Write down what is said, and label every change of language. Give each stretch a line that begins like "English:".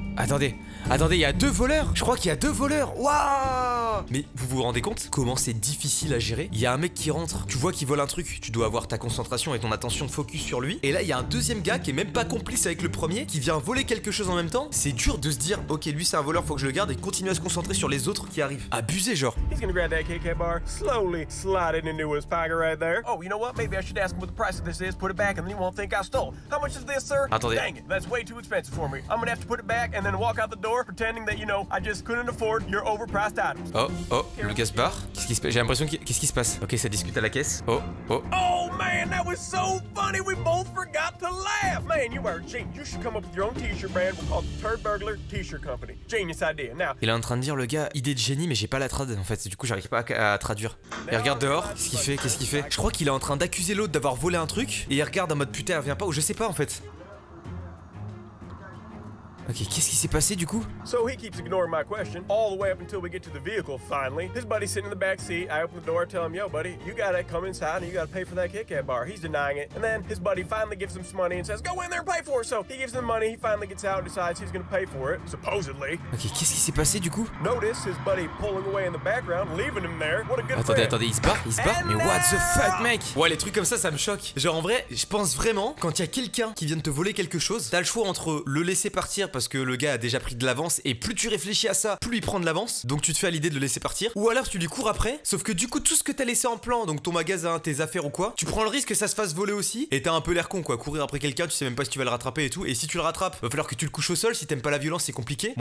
French: Attendez, je crois qu'il y a deux voleurs. Waouh! Mais vous vous rendez compte comment c'est difficile à gérer? Il y a un mec qui rentre, tu vois qu'il vole un truc, tu dois avoir ta concentration et ton attention focus sur lui. Et là, il y a un deuxième gars qui est même pas complice avec le premier, qui vient voler quelque chose en même temps. C'est dur de se dire, ok, lui c'est un voleur, faut que je le garde, et continuer à se concentrer sur les autres qui arrivent. Abusé, genre.
English: He's gonna grab that KK bar, slowly slide it into his pocket right there. Oh, you know what? Maybe I should ask him what the price of this is, put it back and then he won't think I stole. How much is this, sir?
French: Attendez.
English: Dang it, that's way too expensive for me. I'm gonna have to put it back and then walk out the door pretending that you know I just couldn't afford your overpriced items.
French: Oh, le gars se barre. J'ai l'impression qu'est-ce qui se passe? Ok, ça discute à la caisse.
English: Oh man, that was so funny. We both forgot to laugh. Man, you are a genius. You should come up with your own t-shirt brand. We'll call it the Turd Burglar T-shirt Company. Genius idea. Now.
French: Il est en train de dire le gars idée de génie, mais j'ai pas la trad en fait. Du coup, j'arrive pas à traduire. Il regarde dehors. Qu'est-ce qu'il fait? Je crois qu'il est en train d'accuser l'autre d'avoir volé un truc. Et il regarde en mode putain, elle vient pas ou je sais pas en fait. Ok, qu'est-ce qui s'est passé du coup?
English: So he keeps ignoring my question all the way up until we get to the vehicle finally. His buddy's sitting in the back seat. I open the door, tell him, yo buddy, you gotta come inside and you gotta pay for that Kit Kat bar. He's denying it. And then his buddy finally gives him some money and says, go in there and pay for it. So he gives him the money, he finally gets out and decides he's gonna pay for it, supposedly.
French: Ok, qu'est-ce qui s'est passé du coup?
English: Notice his buddy pulling away in the background, leaving him there. What a good
French: attendez,
English: friend.
French: Attendez, il se barre. Mais
English: what the fuck
French: mec? Ouais, les trucs comme ça me choque. Genre en vrai, je pense vraiment, quand il y a quelqu'un qui vient de te voler quelque chose, t'as le choix entre le laisser partir parce que le gars a déjà pris de l'avance et plus tu réfléchis à ça, plus il prend de l'avance, donc tu te fais à l'idée de le laisser partir, ou alors tu lui cours après, sauf que du coup tout ce que t'as laissé en plan, donc ton magasin, tes affaires ou quoi, tu prends le risque que ça se fasse voler aussi, et t'as un peu l'air con quoi, courir après quelqu'un, tu sais même pas si tu vas le rattraper et tout, et si tu le rattrapes, va falloir que tu le couches au sol, si t'aimes pas la violence c'est compliqué.